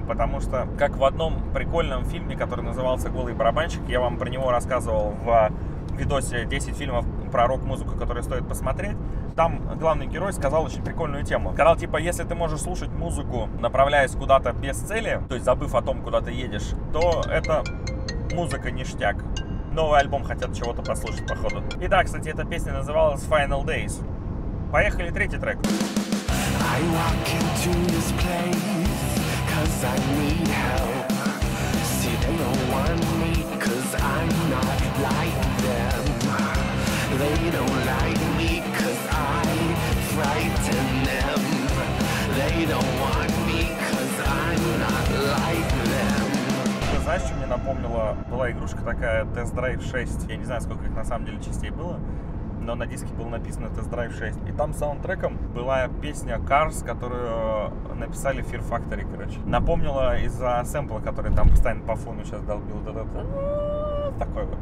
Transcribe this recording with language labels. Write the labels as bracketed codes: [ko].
[ru] Потому что, как в одном прикольном фильме, который назывался «Голый барабанщик», я вам про него рассказывал в видосе «10 фильмов про рок-музыку, которые стоит посмотреть», там главный герой сказал очень прикольную тему. Сказал, типа, если ты можешь слушать музыку, направляясь куда-то без цели, то есть забыв о том, куда ты едешь, то это музыка ништяк. Новый альбом хотят чего-то послушать, походу. И да, кстати, эта песня называлась «Final Days». Поехали, третий трек. [en] I walk into this place, cause I need help. See, they don't want me, cause I'm not like them. They don't like me, cause I frighten them. They don't want me, cause I'm not like them. [ru] Ты знаешь, что мне напомнило? Была игрушка такая, Test Drive 6. Я не знаю, сколько их на самом деле частей было. Но на диске было написано Test Drive 6. И там саундтреком была песня Cars, которую написали Fear Factory, короче. Напомнила из-за сэмпла, который там постоянно по фону сейчас долбил. Такой вот.